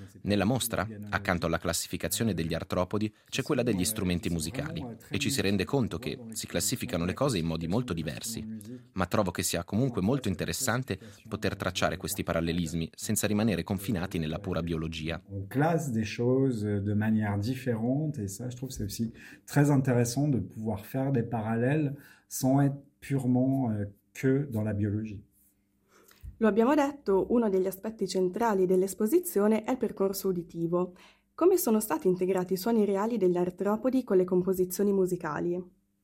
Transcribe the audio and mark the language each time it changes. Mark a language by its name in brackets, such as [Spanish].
[Italian] Nella mostra, accanto alla classificazione degli artropodi, c'è quella degli strumenti musicali e ci si rende conto che si classificano le cose in modi molto diversi. Ma trovo che sia comunque molto interessante poter tracciare questi parallelismi senza rimanere confinati nella pura biologia. [French] On classe des choses de manière différente et ça je trouve c'est aussi très intéressant de pouvoir faire des parallèles sans être purement que dans la biologie. [Italian] Lo abbiamo detto, uno degli aspetti centrali dell'esposizione è il percorso uditivo. Come sono stati integrati i suoni reali degli artropodi con le composizioni musicali?